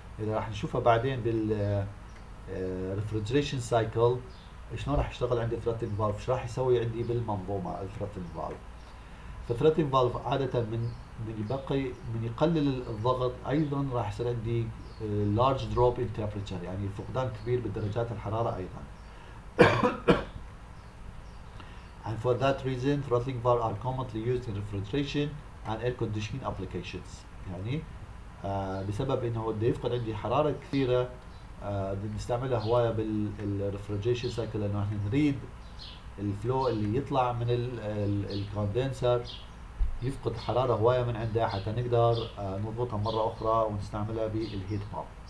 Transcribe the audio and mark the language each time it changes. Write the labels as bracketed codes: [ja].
[ar] اذا راح نشوفها بعدين بال ريفرجريشن سايكل شلون راح يشتغل عندي ثروتلينج فالف، ايش راح يسوي عندي بالمنظومه الثروتلينج فالف. فالثروتلينج فالف عاده من يقلل الضغط ايضا راح يصير عندي لارج دروب ان تمبرتشر، يعني فقدان كبير بدرجات الحراره ايضا. [en] And for that reason, throttling valves are commonly used in refrigeration and air conditioning applications. [ar] يعني بسبب انه بده يفقد عندي حراره كثيره بنستعملها هوايه بالريفرجريشن سايكل، لانه احنا نريد الفلو اللي يطلع من الكوندنسر يفقد حراره هوايه من عنده حتى نقدر نضبطها مره اخرى ونستعملها بالهيت بامب.